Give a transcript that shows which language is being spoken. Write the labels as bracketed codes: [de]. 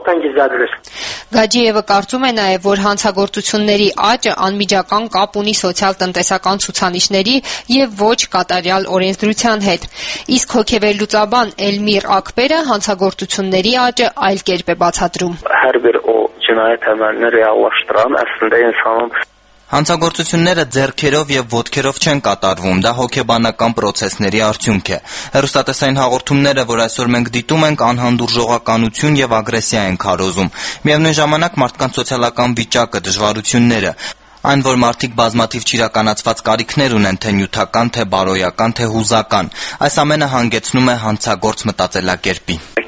[hy] Գաջիևը կարծում է նաեւ, որ հանցագործությունների աճը անմիջական կապ ունի սոցիալ-տնտեսական ցուցանիշների եւ ոչ կատարյալ օրենսդրության հետ։ Իսկ հոգեվերլուծաբան Էլմիր Ակպերը հանցագործությունների աճը այլ կերպ է բացատրում։ [az] Cinayət əməlini reallaşdıran əslində insanın [hy] Հանցագործությունները ձեռքերով եւ ոտքերով չեն կատարվում, դա հոգեբանական պրոցեսների արդյունք է։ Հեռուստատեսային հաղորդումները, որ այսօր մենք դիտում ենք, անհանդուրժողականություն եւ ագրեսիա են քարոզում։ Միևնույն ժամանակ մարդկանց սոցիալական վիճակը, դժվարությունները, այն, որ մարդիկ բազմաթիվ չիրականացված կարիքներ ունեն, թե նյութական, թե բարոյական, թե հուզական, այս ամենը հանգեցնում է հանցագործ մտածելակերպի։